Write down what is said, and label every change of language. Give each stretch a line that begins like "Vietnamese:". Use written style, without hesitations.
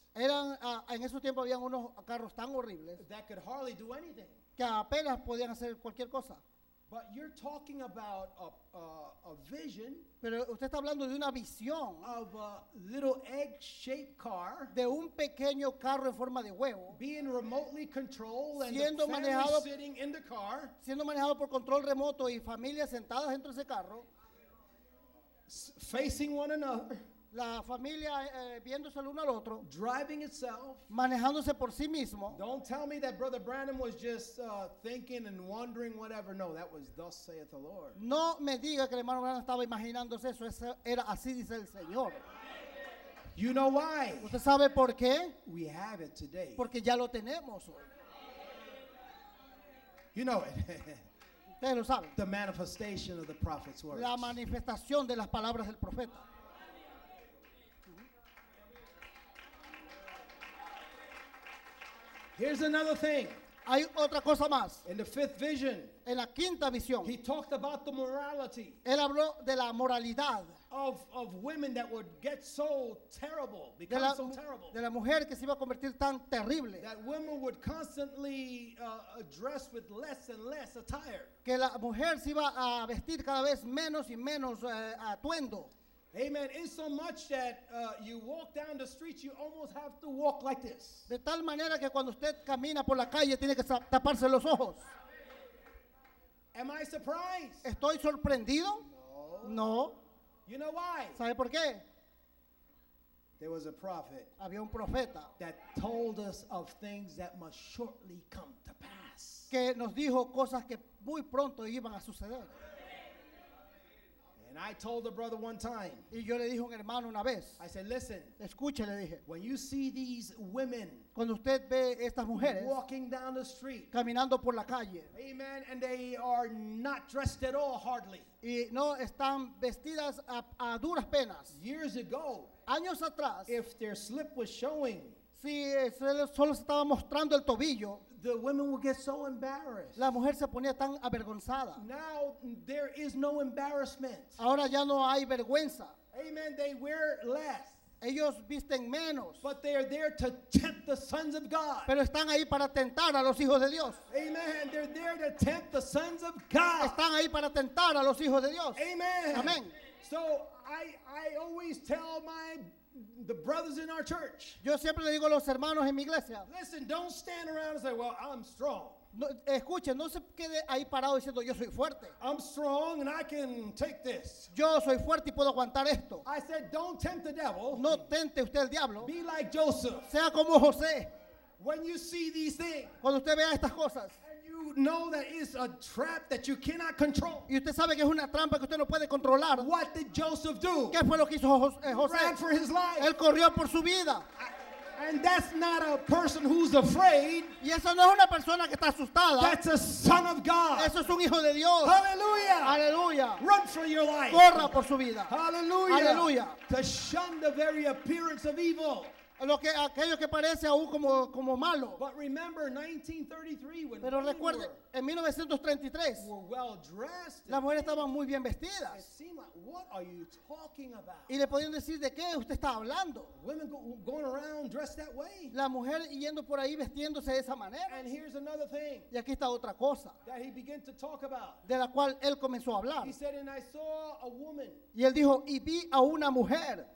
Spanish: Eran en esos tiempos habían unos carros tan horribles
English: that could hardly do anything,
Spanish: que apenas podían hacer cualquier cosa.
English: But you're talking about a vision.
Spanish: Pero usted está hablando de una visión
English: of a little egg-shaped car,
Spanish: de un pequeño carro en forma de huevo,
English: being remotely controlled, and
Spanish: siendo
English: the
Spanish: manejado,
English: sitting in the car,
Spanish: siendo manejado por control remoto y familias sentadas dentro de ese carro,
English: facing one another,
Spanish: la familia viéndose el uno al otro,
English: driving itself,
Spanish: manejándose por sí mismo.
English: Don't tell me that Brother Branham was just thinking and wondering whatever. No, that was thus saith the Lord.
Spanish: No me diga que el hermano Branham estaba imaginándose eso. Eso era así dice el Señor.
English: You know why?
Spanish: ¿Usted sabe por qué?
English: We have it today.
Spanish: Porque ya lo tenemos hoy.
English: You know it.
Spanish: Ustedes lo saben.
English: The manifestation of the prophet's words.
Spanish: La manifestación de las palabras del profeta.
English: Here's another thing.
Spanish: Hay otra cosa más.
English: In the fifth vision,
Spanish: en la quinta visión,
English: he talked about the morality.
Spanish: Él habló de la moralidad
English: of women that would get so terrible, become so terrible.
Spanish: De la mujer que se iba a convertir tan terrible.
English: That women would constantly dress with less and less attire.
Spanish: Que la mujer se iba a vestir cada vez menos y menos atuendo.
English: Amen. In so much that you walk down the streets, you almost have to walk like this.
Spanish: De tal manera que cuando usted camina por la calle tiene que taparse los ojos.
English: Am I surprised?
Spanish: ¿Estoy sorprendido?
English: No.
Spanish: No.
English: You know why?
Spanish: ¿Sabe por qué?
English: There was a prophet.
Spanish: Había un profeta.
English: That told us of things that must shortly come to pass.
Spanish: Que nos dijo cosas que muy pronto iban a suceder.
English: And I told the brother one time.
Spanish: Y yo le dije a un hermano una vez.
English: I said, listen.
Spanish: Escuche, le dije.
English: When you see these women,
Spanish: cuando usted ve estas mujeres,
English: walking down the street,
Spanish: caminando por la calle,
English: amen, and they are not dressed at all, hardly.
Spanish: Y no están vestidas a duras penas.
English: Years ago,
Spanish: años atrás,
English: if their slip was showing,
Spanish: si solo se estaba mostrando el tobillo,
English: the women would get so embarrassed.
Spanish: La mujer se ponía tan avergonzada.
English: Now there is no embarrassment.
Spanish: Ahora ya no hay vergüenza.
English: Amen. They wear less.
Spanish: Ellos visten menos.
English: But they are there to tempt the sons of God.
Spanish: Pero están ahí para tentar a los hijos de Dios.
English: Amen. They're there to tempt the sons of God.
Spanish: Están ahí para tentar a los hijos de Dios.
English: Amen. Amen. So I always tell my the brothers in our church.
Spanish: Yo siempre le digo a los hermanos en mi iglesia.
English: Listen, don't stand around and say, "Well, I'm strong."
Spanish: No, escuche, no se quede ahí parado diciendo, "Yo soy fuerte."
English: I'm strong and I can take this.
Spanish: Yo soy fuerte y puedo aguantar esto.
English: I said, "Don't tempt the devil."
Spanish: No tente usted al diablo.
English: Be like Joseph.
Spanish: Sea como José.
English: When you see these things,
Spanish: cuando usted vea estas cosas,
English: and you know that it's a trap that you cannot control,
Spanish: y usted sabe que es una trampa que usted no puede controlar,
English: what did Joseph do?
Spanish: ¿Qué fue lo que hizo José?
English: He ran for his life.
Spanish: Él corrió por su vida.
English: And that's not a person who's afraid.
Spanish: Y eso no es una persona que está asustada.
English: That's a son of God.
Spanish: Eso es un hijo de Dios.
English: Hallelujah.
Spanish: Hallelujah.
English: Run for your life.
Spanish: Corra por su vida.
English: Hallelujah.
Spanish: Hallelujah.
English: To shun the very appearance of evil.
Spanish: Lo que aquello que parece aún como malo.
English: But remember 1933 when.
Spanish: Pero recuerde en 1933.
English: Were well dressed.
Spanish: Las mujeres estaban muy bien vestidas.
English: It seemed like, what are you talking about?
Spanish: Y le podían decir de qué usted está hablando.
English: Women going around dressed that way.
Spanish: La mujer yendo por ahí vestiéndose de esa manera.
English: And here's another thing.
Spanish: Y aquí está otra cosa.
English: That he began to talk about.
Spanish: De la cual él comenzó a hablar.
English: He said, and I saw a woman.
Spanish: Y él dijo y vi a una mujer.